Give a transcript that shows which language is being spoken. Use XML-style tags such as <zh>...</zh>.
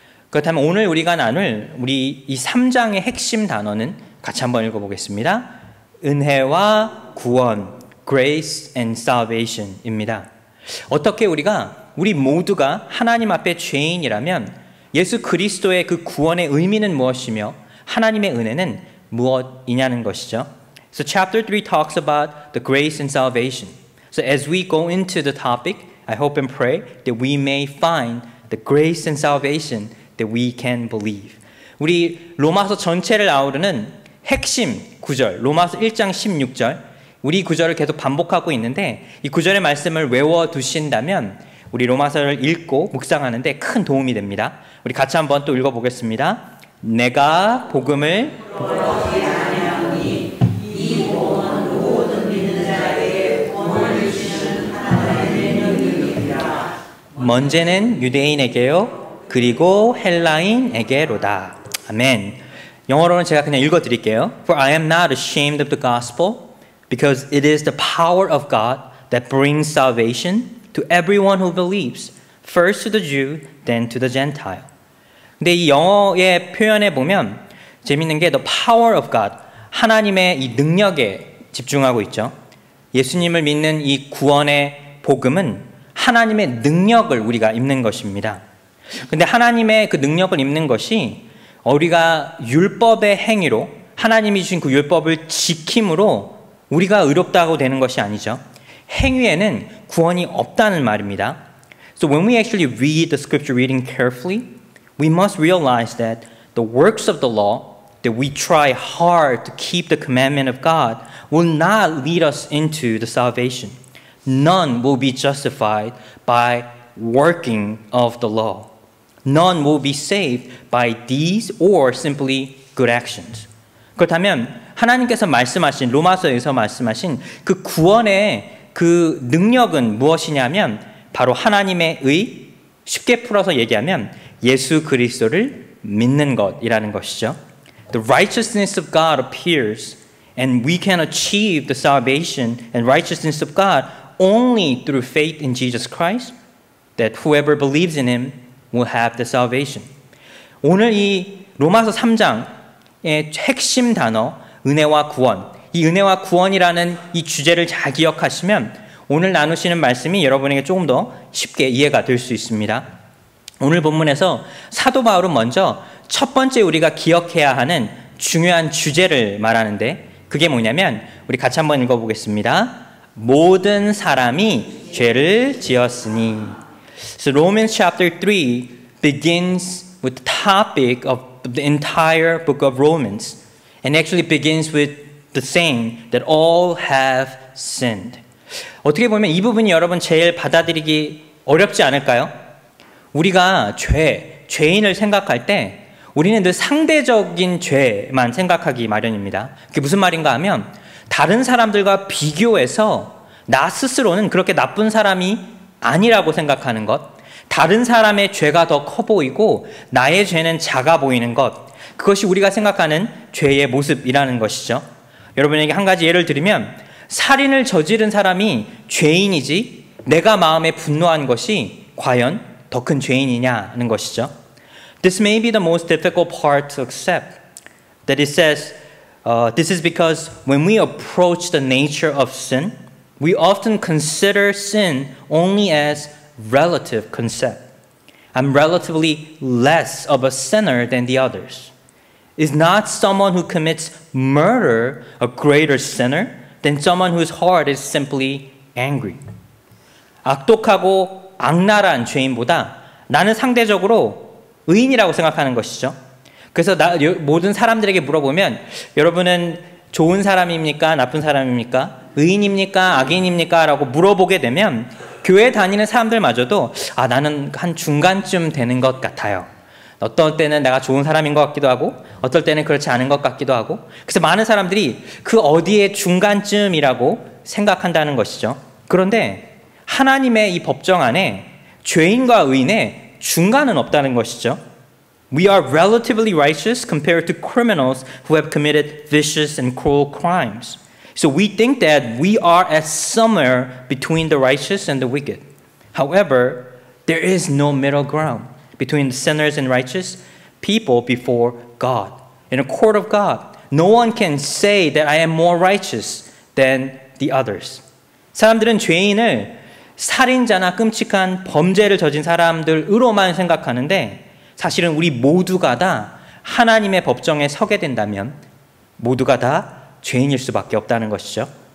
<ko>그렇다면 오늘 우리가 나눌 우리 이 3장의 핵심 단어는 같이 한번 읽어보겠습니다. 은혜와 구원,</ko> <en>Grace and Salvation</en> <ko>입니다. 어떻게 우리 모두가 하나님 앞에 죄인이라면 예수 그리스도의 그 구원의 의미는 무엇이며 하나님의 은혜는 무엇이냐는 것이죠.</ko> <en>So chapter 3 talks about the grace and salvation. So as we go into the topic, I hope and pray that we may find the grace and salvation that we can believe.</en> <ko>우리 로마서 전체를 아우르는 핵심 구절, 로마서 1장 16절, 우리 구절을 계속 반복하고 있는데 이 구절의 말씀을 외워두신다면 우리 로마서를 읽고 묵상하는데 큰 도움이 됩니다. 우리 같이 한번 또 읽어보겠습니다. 내가 복음을 부끄럽게 아니하오니 이 복음은 모든 믿는 자에게 구원을 주시는 하나님의 능력이니라. 먼저는 유대인에게요, 그리고 헬라인에게로다. 아멘. 영어로는 제가 그냥 읽어드릴게요.</ko> <en>For I am not ashamed of the gospel, because it is the power of God that brings salvation to everyone who believes, first to the Jew, then to the Gentile.</en> <ko>근데 이 영어의 표현에 보면 재밌는 게</ko> <en>the power of God,</en> <ko>하나님의 이 능력에 집중하고 있죠. 예수님을 믿는 이 구원의 복음은 하나님의 능력을 우리가 입는 것입니다. 근데 하나님의 그 능력을 입는 것이 우리가 율법의 행위로 하나님이 주신 그 율법을 지킴으로 우리가 의롭다고 되는 것이 아니죠. 행위에는 구원이 없다는 말입니다.</ko> <en>So when we actually read the scripture reading carefully, we must realize that the works of the law, that we try hard to keep the commandment of God, will not lead us into the salvation. None will be justified by working of the law. None will be saved by deeds or simply good actions.</en> <ko>그렇다면 하나님께서 말씀하신 로마서에서 말씀하신 그 구원의 그 능력은 무엇이냐면 바로 하나님의 의, 쉽게 풀어서 얘기하면 예수 그리스도를 믿는 것이라는 것이죠.</ko> <en>The righteousness of God appears and we can achieve the salvation and righteousness of God only through faith in Jesus Christ that whoever believes in him will have the salvation.</en> <ko>오늘 이 로마서 3장의 핵심 단어 은혜와 구원, 이 은혜와 구원이라는 이 주제를 잘 기억하시면 오늘 나누시는 말씀이 여러분에게 조금 더 쉽게 이해가 될 수 있습니다. 오늘 본문에서 사도 바울은 먼저 첫 번째 우리가 기억해야 하는 중요한 주제를 말하는데 그게 뭐냐면 우리 같이 한번 읽어보겠습니다. 모든 사람이 죄를 지었으니.</ko> <en>So Romans chapter 3 begins with the topic of the entire book of Romans and actually begins with the saying that all have sinned.</en> <ko>어떻게 보면 이 부분이 여러분 제일 받아들이기 어렵지 않을까요? 우리가 죄인을 생각할 때 우리는 늘 상대적인 죄만 생각하기 마련입니다. 그게 무슨 말인가 하면 다른 사람들과 비교해서 나 스스로는 그렇게 나쁜 사람이 아니라고 생각하는 것, 다른 사람의 죄가 더 커 보이고 나의 죄는 작아 보이는 것, 그것이 우리가 생각하는 죄의 모습이라는 것이죠. 여러분에게 한 가지 예를 들면 살인을 저지른 사람이 죄인이지 내가 마음에 분노한 것이 과연 더 큰 죄인이냐는 것이죠.</ko> <en>This may be the most difficult part to accept. That it says, this is because when we approach the nature of sin, we often consider sin only as relative concept. I'm relatively less of a sinner than the others. Is not someone who commits murder a greater sinner than someone whose heart is simply angry?</en> <ko>악독하고 악랄한 죄인보다 나는 상대적으로 의인이라고 생각하는 것이죠. 그래서 모든 사람들에게 물어보면 여러분은 좋은 사람입니까? 나쁜 사람입니까? 의인입니까? 악인입니까? 라고 물어보게 되면 교회 다니는 사람들마저도 아 나는 한 중간쯤 되는 것 같아요. 어떨 때는 내가 좋은 사람인 것 같기도 하고 어떨 때는 그렇지 않은 것 같기도 하고 그래서 많은 사람들이 그 어디에 중간쯤이라고 생각한다는 것이죠. 그런데 하나님의 이 법정 안에 죄인과 의인의 중간은 없다는 것이죠.</ko> <en>We are relatively righteous compared to criminals who have committed vicious and cruel crimes. So we think that we are at somewhere between the righteous and the wicked. However, there is no middle ground between sinners and righteous people before God. In a court of God, no one can say that I am more righteous than the others.</en> <ko>사람들은 죄인을 살인자나 끔찍한 범죄를 저진 사람들으로만 생각하는데 사실은 우리 모두가 다 하나님의 법정에 서게 된다면 모두가 다 죄인일 수밖에 없다는 것이죠.</ko>